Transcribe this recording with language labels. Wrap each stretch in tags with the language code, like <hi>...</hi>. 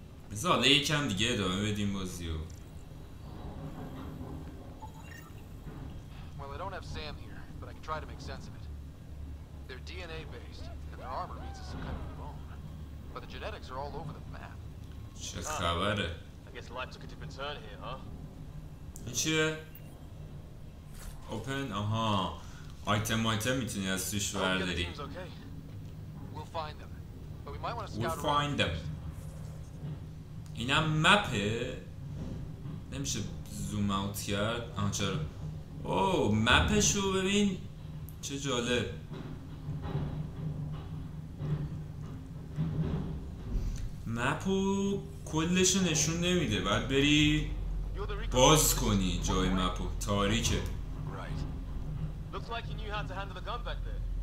<fa>بذار حالا یکم دیگه ادامه بدیم بازی رو.</fa> <en>Well, I don't have Sam here, but I can try to make sense of it. They're DNA based, and their armor reads as some kind of bone. But the genetics are all over the map.</en> <fa>چه خبره؟</fa> <en>I guess life took a different turn here, huh?</en> <fa>این چیه؟ اوپن؟ آها آیتم آیتم میتونی از توش برداری.</fa> <en>We'll find them.</en> <fa>این هم مپه؟ نمیشه زوم اوت کرد؟ آها چرا؟ اوه مپشو ببین چه جالب. مپو کلشو نشون نمیده، باید بری باز کنی جای مپو، تاریکه.</fa> <en>Looks like you knew how to handle the gun back there.</en>